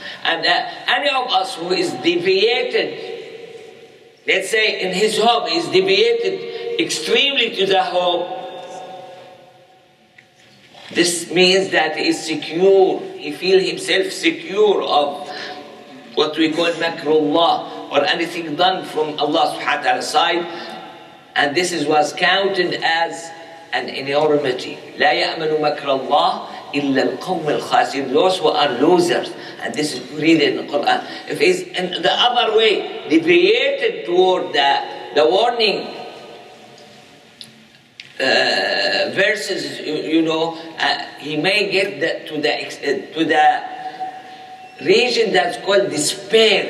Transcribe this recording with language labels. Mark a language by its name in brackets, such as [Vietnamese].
[English] And any of us who is deviated, let's say in his hope, is deviated extremely to the hope, this means that he is secure, he feels himself secure of what we call makrullah, or anything done from Allah subhanahu wa ta'ala's side, and this is was counted as an enormity. [Arabic] لا يأمن مكر الله إلا القوم الخاسرين. [English] Those who are losers. And this is read in the Quran. If it's in the other way, deviated toward the warning verses, you know, he may get to the region that's called despair.